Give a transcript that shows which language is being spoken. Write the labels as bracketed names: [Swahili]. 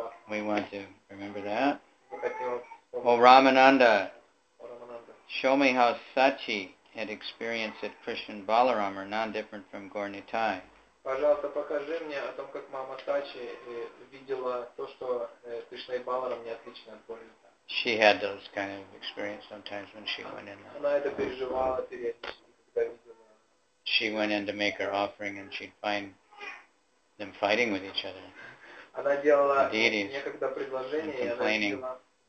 [English] we want to remember that. Oh, Ramananda, show me how Sachi had experienced that Krishna and Balaram are non-different from Gaur Nitai. [Russian] Пожалуйста, покажи мне о том, как мама Сачи видела то, что Кришна и Баларам не отличны от Гаур Нитай. [English] She had those kind of experiences sometimes when she went in. [Russian] Она это переживала периодически, когда видела. [English] She went in to make her offering and she'd find them fighting with each other. [Russian] Она делала некогда предложение, и она видела...